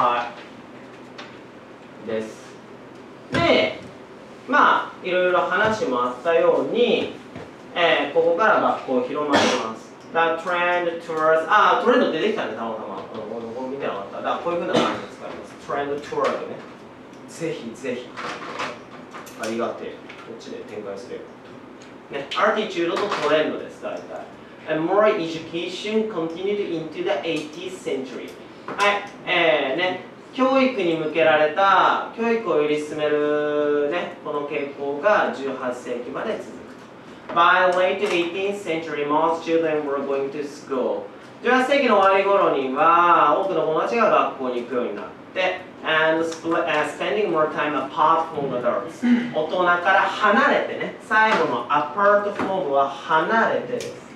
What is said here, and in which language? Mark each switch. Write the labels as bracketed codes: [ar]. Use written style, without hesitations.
[ja] はい。です。で、まあいろいろ話もあったように、ここから学校広まります。 The trend towards あトレンド出てきたね。たまたまこの見てなかった。だからこういう風な感じで使います。 trend towards ね。ぜひぜひありがてえ、こっちで展開すれば、ね、アティチュードとトレンドです、大体。 [en] And more education continued into the 18th century。 [ja] はい、ね、教育に向けられた、教育をより進める、ね、この傾向が18世紀まで続くと。 [en] By late 18th century, most children were going to school。 [ja] 18世紀の終わり頃には、多くの友達が学校に行くようになって、 and spending more time apart from adults 大人から離れてね最後の apart from は離れてです